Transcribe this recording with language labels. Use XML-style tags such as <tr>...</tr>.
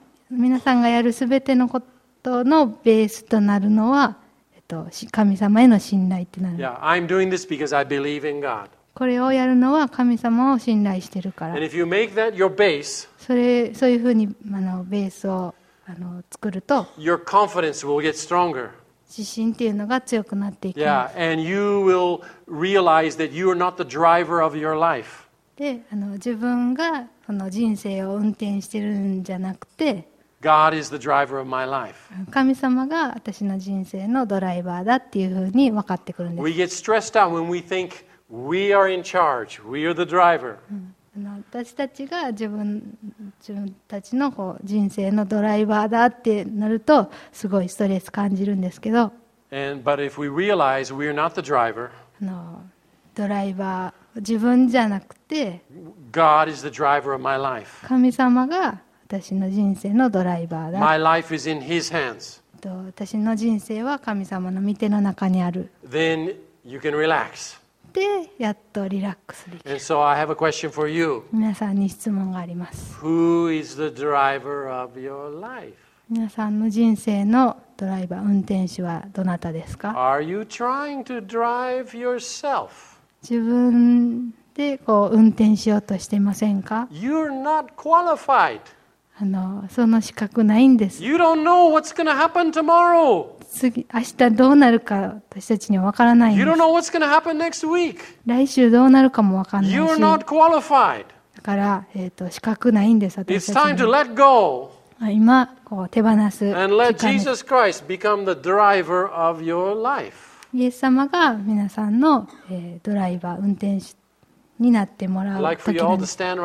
<ja>皆さんがやるすべてのことのベースとなるのは、神様への信頼ってなる。</ja> <en>Yeah, I'm doing this because I believe in God.</en> <ja>これをやるのは神様を信頼してるから。</ja> <en>And if you make that your base,</en> <ja>そういうふうにベースを作ると、</ja> <en>your confidence will get stronger.</en> <ja>自信っていうのが強くなっていきます。</ja> <en>Yeah, and you will realize that you are not the driver of your life.</en> <ja>で、自分がこの人生を運転してるんじゃなくて、</ja> <en>God is the driver of my life.</en> <ja>神様が私の人生のドライバーだっていうふうに分かってくるんです。</ja> <en>We get stressed out when we think we are in charge. We are the driver.</en> <ja>私たちが自分たちのこう人生のドライバーだってなるとすごいストレス感じるんですけど。</ja> <en>And but if we realize we are not the driver.</en> <ja>ドライバー自分じゃなくて、</ja> <en>God is the driver of my life.</en> <ja>神様が私の人生のドライバーだ。</ja> <en>My life is in His hands.</en> <ja>私の人生は神様の御手の中にある。</ja> <en>Then you can relax.</en> <ja>で、やっとリラックスできる。</ja> <en>And so I have a question for you.</en> <ja>皆さんに質問があります。</ja> <en>Who is the driver of your life?</en> <ja>皆さんの人生のドライバー、運転手はどなたですか?</ja> <en>Are you trying to drive yourself?</en> <ja>自分でこう運転しようとしていませんか?</ja> <en>You're not qualified.</en> <ja>その資格ないんです。</ja> <en>You don't know what's going to happen tomorrow.</en> <ja>次、明日どうなるか私たちには分からないんです。</ja> <en>You don't know what's going to happen next week.</en> <ja>来週どうなるかも分からないし。</ja> <en>You're not qualified.</en> <ja>だから、資格ないんです、私たちには。</ja> <en>It's time to let go.</en> <ja>今、こう手放す。</ja> <en>And let Jesus Christ become the driver of your life.</en> <ja>イエス様が皆さんのドライバー、運転手になってもらう時なんです。</ja>